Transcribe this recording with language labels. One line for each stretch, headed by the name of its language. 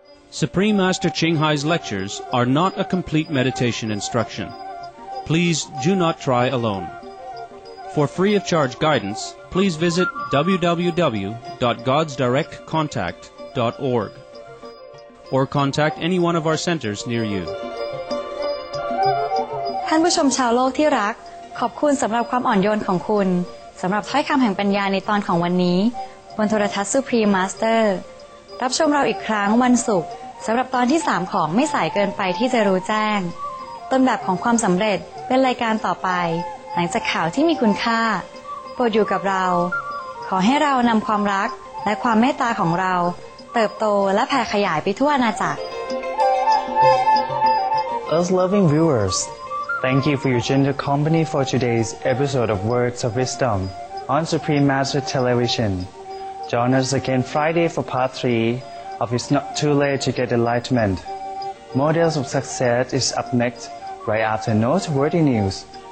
English: Supreme Master Qinghai's lectures are not a complete meditation instruction. Please do not try alone. For free of charge guidance, please visit www.godsdirectcontact.org or contact any one of our centers near you.
Thai: ท่านผู้ชมชาวโลกที่รักขอบคุณสำหรับความอ่อนโยนของคุณสำหรับถ้อยคำแห่งปัญญาในตอนของวันนี้ บนโทรทัศน์ Supreme Master รับชมเราอีกครั้งวันศุกร์สำหรับตอนที่3ของไม่สายเกินไปที่จะรู้แจ้งต้นแบบของความสำเร็จเป็นรายการต่อไปหลังจากข่าวที่มีคุณค่าโปรดอยู่กับเราขอให้เรานำความรักและความเมตตาของเราเติบโตและแผ่ขยายไปทั่วอาณาจักร
English: Us loving viewers, thank you for your gentle company for today's episode of Words of Wisdom on Supreme Master Television. Join us again Friday for part 3 of It's Not Too Late to Get Enlightenment. Models of Success is up next right after Noteworthy News.